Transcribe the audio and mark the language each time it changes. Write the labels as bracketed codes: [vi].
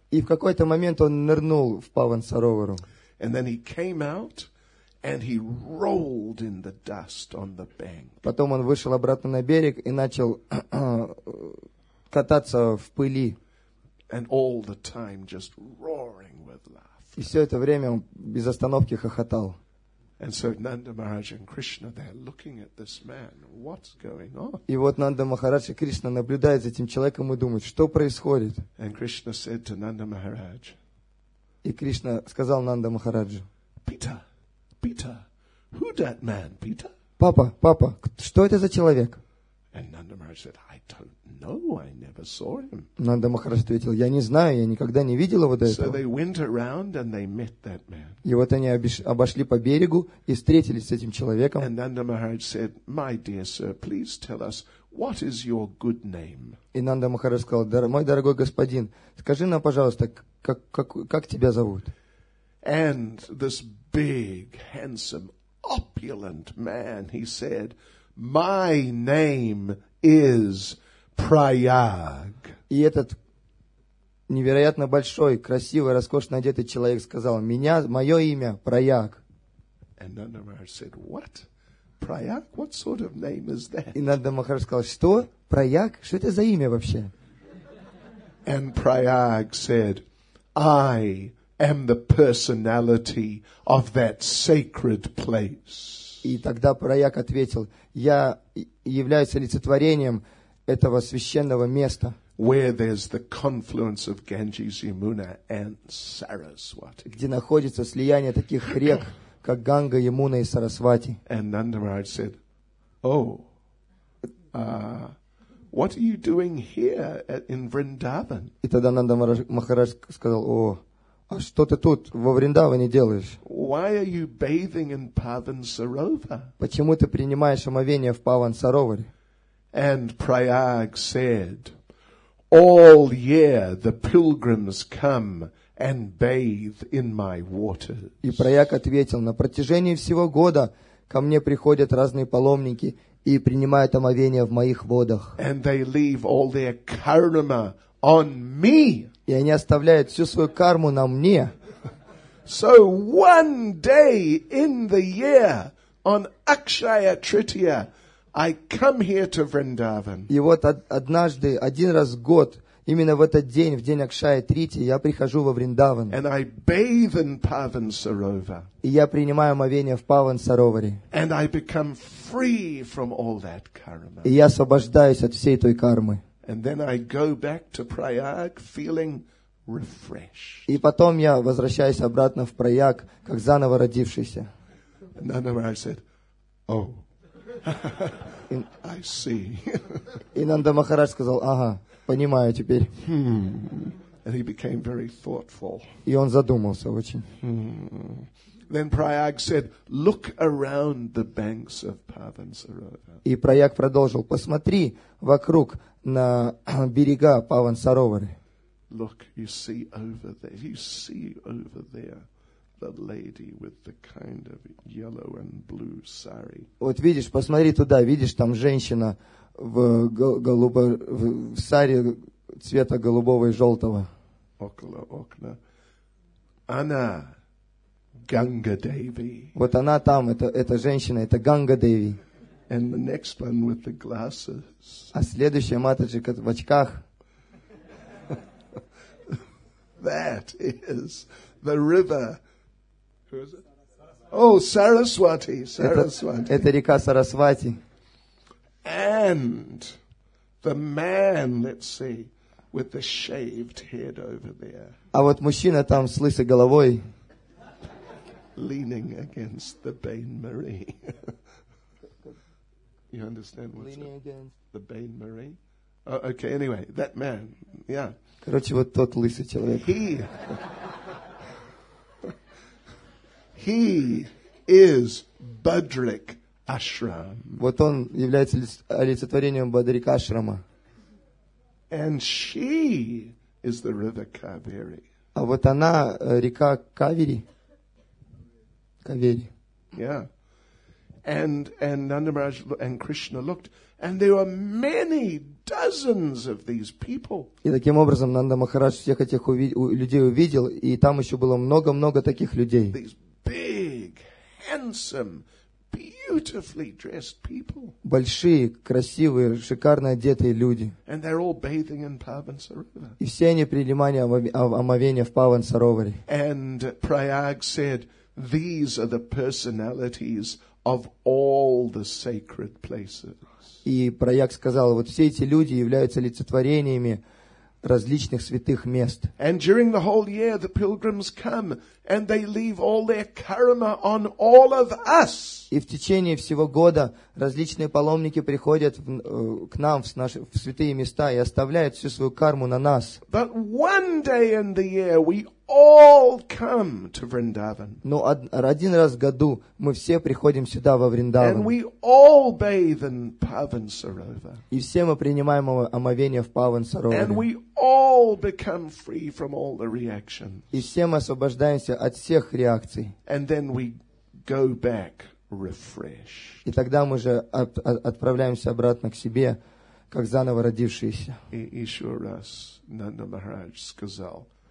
[ru] И в какой-то момент он нырнул в Павансаровару. [en] And then he came out and he rolled in the dust on the bank. [ru] Потом он вышел обратно на берег и начал кататься в пыли. [en] And all the time just roaring with laughter. [ru] И все это время он без остановки хохотал. [en] And so Nanda Maharaj and Krishna, they're looking at this man. What's going on? [ru] И вот Нанда Махарадж и Кришна наблюдают за этим человеком и думают, что происходит? [en] And Krishna said to Nanda Maharaj. [ru] И Кришна сказал Нанда Махараджу. [en] Peter, who that man, Peter? [ru] Папа, что это за человек? [en] And Nanda Maharaj said, I don't know. I never saw him. [ru] Нанда Махарадж ответил, я не знаю, я никогда не видел его до этого. [en] So they went around and they met that man. [ru] И вот они обошли по берегу и встретились с этим человеком. [en] And Nanda Maharaj said, my dear sir, please tell us what is your good name. [ru] И Нанда Махарадж сказал, мой дорогой господин, скажи нам, пожалуйста, как тебя зовут? [en] And this big, handsome, opulent man, he said, my name is Prayag. [ru] И этот невероятно большой, красивый, роскошно одетый человек сказал, мое имя Прайаг. [en] And Nanda Maharaj said, what? Prayag? What sort of name is that? [ru] И Нанда Махарадж сказал, что? Прайаг? Что это за имя вообще? [en] And Prayag said, I am the personality of that sacred place. [ru] И тогда Прайаг ответил, я являюсь олицетворением этого священного места, где находится слияние таких рек, как Ганга, Ямуна и Сарасвати. [en] And Nanda Maharaj said, oh, what are you doing here in Vrindavan? [ru] И тогда Нанда Махарадж сказал, о, а что ты тут во Вриндаване делаешь? [en] Why are you bathing in Pavansarovar? [ru] Почему ты принимаешь омовение в Павансароваре? [en] And Prayag said, all year the pilgrims come and bathe in my waters. [ru] И Прайаг ответил, на протяжении всего года ко мне приходят разные паломники и принимают омовение в моих водах. [en] And they leave all their karma on me. [ru] И они оставляют всю свою карму на мне. [en] So one day in the year on Akshaya Tritiya, I come here to Vrindavan. [ru] И вот однажды, один раз в год, именно в этот день, в день Акшая Трити, я прихожу во Вриндаван. [en] And I bathe in Pavansarovar. [ru] И я принимаю омовение в Павансароваре. [en] And I become free from all that karma. [ru] И я освобождаюсь от всей той кармы. [en] And then I go back to Prayag feeling refreshed. [ru] И потом я возвращаюсь обратно в Прайаг, как заново родившийся. [en] And Nanda Maharaj said, oh, I see. [ru] И Нанда Махарадж сказал, ага, понимаю теперь. [en] And he became very thoughtful. [ru] И он задумался очень. [en] Then Prayag said, look around the banks of Pavansarovar. [ru] И Прайаг продолжил, посмотри вокруг на берега Павансаровары. [en] Look, you see over there the lady with the kind of yellow and blue sari. [ru] Вот видишь, посмотри туда, видишь там женщина в голубой сари цвета голубого и желтого. Около окна. Она Ганга Деви. Вот она там, эта женщина, это Ганга Деви. [en] And the next one with the glasses. [ru] А следующая матаджи в очках. [en] That is the river. Who is it? Saraswati. [ru] Это река Сарасвати. [en] And the man, let's see, with the shaved head over there. [ru] А вот мужчина там с лысой головой. [en] Leaning against the bain marie. You understand what's leaning against the Bain Marie? Oh, okay, anyway, that man, yeah. [ru] Короче, вот тот лысый человек. [en] He is Bhadrik Ashram. [ru] Вот он является олицетворением Бадрик Ашрама. [en] And she is the river Kaveri. [ru] А вот она река Кавери. Кавери. [en] Yeah. And Nanda Maharaj and Krishna looked, and there were many dozens of these people. [ru] И таким образом Нанда Махарадж всех этих людей увидел, и там еще было много-много таких людей. [en] These big, handsome, beautifully dressed people. [ru] Большие, красивые, шикарно одетые люди. [en] And they're all bathing in Pavansarovar. [ru] И все они принимали омовение в Павансароваре. [en] And Prayag said, "These are the personalities of all the sacred places." [ru] И Прояк сказал, вот все эти люди являются олицетворениями различных святых мест. [en] And during the whole year, the pilgrims come and they leave all their karma on all of us. [ru] И в течение всего года различные паломники приходят к нам в святые места и оставляют всю свою карму на нас. [en] But one day in the year, we all come to Vrindavan. [ru] Но один раз в году мы все приходим сюда во Вриндаван. [en] And we all bathe in Pavansarovar. [ru] И все мы принимаем омовение в Павансароваре. [en] And we all become free from all the reactions. [ru] И все мы освобождаемся от всех реакций. [en] And then we go back refreshed. [ru] И тогда мы же отправляемся обратно к себе, как заново родившиеся. И еще раз Нанда Махарадж сказал.